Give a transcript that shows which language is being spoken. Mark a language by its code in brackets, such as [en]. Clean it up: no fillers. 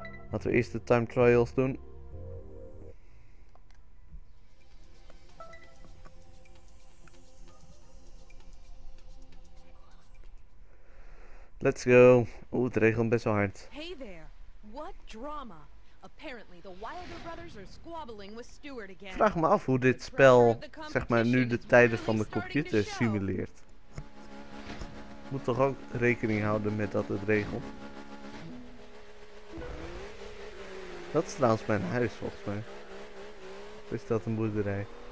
[nl] Laten we eerst de Time Trials doen. [en] Let's go. [nl] Oeh, het regent best wel hard. [en] Hey there. What drama? Apparently the Wilder brothers are squabbling with Stuart again. [nl] Vraag me af hoe dit spel, zeg maar, nu de tijden van de computer simuleert. Moet toch ook rekening houden met dat het regelt. Dat is trouwens mijn huis, volgens mij. Of is dat een boerderij?